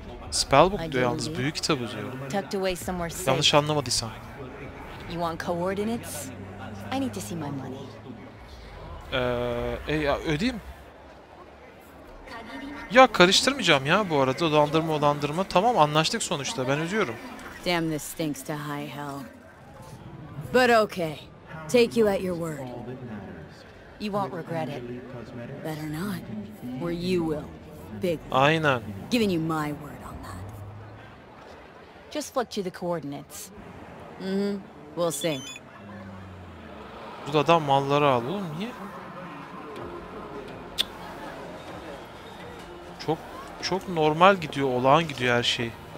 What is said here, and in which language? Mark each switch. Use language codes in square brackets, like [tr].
[tr] Spellbook diyor yalnız, büyük kitabı diyor. Yanlış anlamadıysan. [en] You want coordinates? I need to see my money. [tr] Ödeyeyim. Ya karıştırmayacağım ya bu arada, dolandırma dolandırma. Tamam, anlaştık sonuçta, ben ödüyorum. [en] Damn, this stinks to high hell. But okay, take you at your word. You won't regret it. Better not, or you will. Big. [tr] Aynen. [en] Giving you my word on that. Just flipped you the coordinates. Mm-hmm. We'll see. [tr] Bu da adam malları aldı oğlum, niye? Çok Çok normal gidiyor, olağan gidiyor her şey.